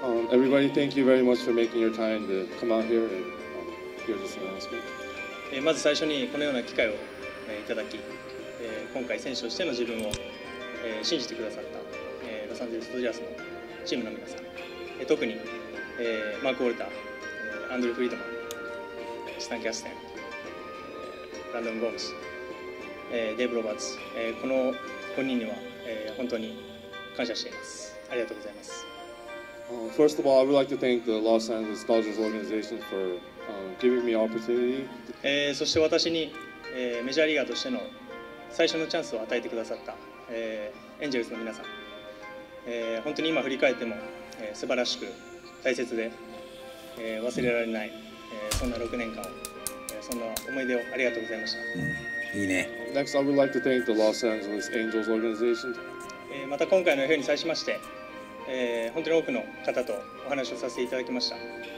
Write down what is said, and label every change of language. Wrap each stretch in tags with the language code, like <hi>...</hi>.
<en>Everybody, thank you very much for making your time to come out here and hear this announcement.</en> <ja>まず最初にこのような機会をいただき、今回選手としての自分を信じてくださったロサンゼルス・ドジャースのチームの皆さん、特にマーク・ウォルター、アンドリュー・フリードマン、スタン・キャステン、ランドン・ゴームス、デイブ・ロバーツ、この5人には本当に感謝しています。ありがとうございます。</ja> <en>First of all, I would like to thank the Los Angeles Dodgers organization for giving me opportunity.</en> <ja>そして私に、メジャーリーガーとしての最初のチャンスを与えてくださった、エンジェルスの皆さん、本当に今振り返っても、素晴らしく大切で、忘れられない、そんな6年間を、そんな思い出をありがとうございました。いいね。</ja> <en>Next, I would like to thank the Los Angeles Angels organization.</en> <ja>また今回のように際しまして、本当に多くの方とお話をさせていただきました。</ja>